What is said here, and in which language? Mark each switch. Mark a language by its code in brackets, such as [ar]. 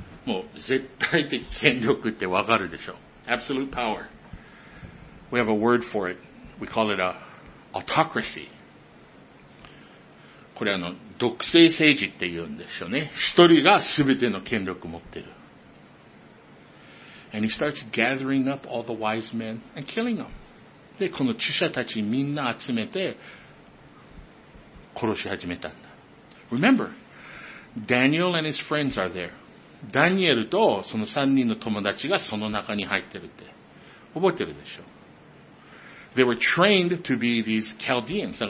[ja] もう絶対的権力ってわかるでしょ。 [en] Absolute power. We have a word for it. We call it a autocracy. [ja] これ独政政治って言うんですよね。一人が全ての権力を持ってる。 [en] And he starts gathering up all the wise men and killing them. [ja] で、この知者たちみんな集めて殺し始めたんだ。 [en] Remember, Daniel and his friends are there. [ja] ダニエルとその三人の友達がその中に入ってるって。覚えてるでしょ。 [en] They were trained to be these Chaldeans.